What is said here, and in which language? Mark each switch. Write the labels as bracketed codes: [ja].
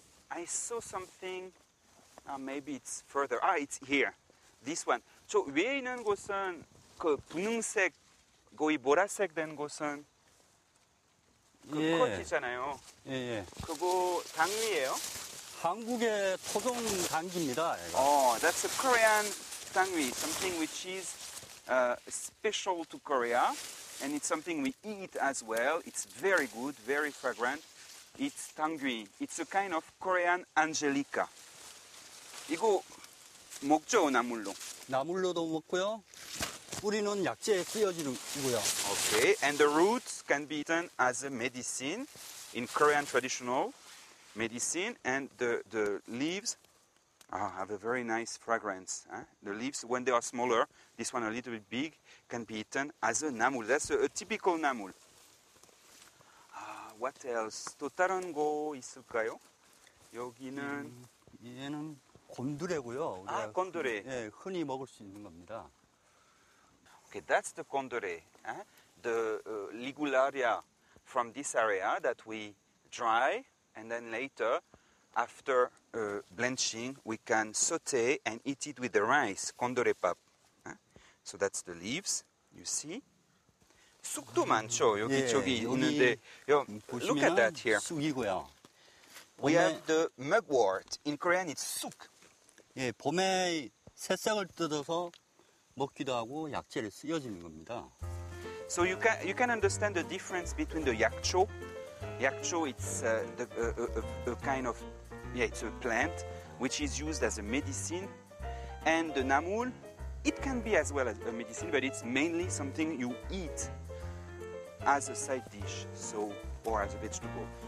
[en] I saw something, maybe it's further, it's here, this one. [ko] So, 위에 있는 곳은 그 분홍색, 거의 보라색 된 곳은 그 [en] yeah. [ko] 커티잖아요. [en] Yeah, yeah. [ko] 그거 당리예요? 한국의 토종 당귀입니다. 이거. [en] Oh, that's a Korean 당귀, something which is special to Korea, and it's something we eat as well. It's very good, very fragrant. It's 당귀. It's a kind of Korean Angelica. [ko] 이거 먹죠, 나물로? 나물로도 먹고요. 뿌리는 약재에 쓰여지고요. [en] Okay, and the roots can be eaten as a medicine in Korean traditional medicine, and the leaves have a very nice fragrance. Eh? The leaves, when they are smaller, this one a little bit big, can be eaten as a namul. That's a typical namul. What else? [ko] 또 다른 거 있을까요? 여기는 얘는 곤드레고요. 아, 곤드레. 예, 흔히 먹을 수 있는 겁니다. [en] Okay, that's the condore, eh? The ligularia from this area that we dry, and then later, after blanching, we can saute and eat it with the rice, condore pap. Eh? So that's the leaves, you see. [ko] 쑥도 많죠, 여기 예, 저기 여기 있는데. 여기 [en] look at that here. [ko] 쑥이고요. 봄에, [en] we have the mugwort. In Korean, it's 쑥. [ko] 예, 봄에 새싹을 뜯어서 먹기도 하고 약재를 쓰여지는 겁니다. [en] So you can understand the difference between the 약초. 약초 it's a kind of yeah it's a plant which is used as a medicine, and the namul it can be as well as a medicine, but it's mainly something you eat as a side dish, so or as a vegetable.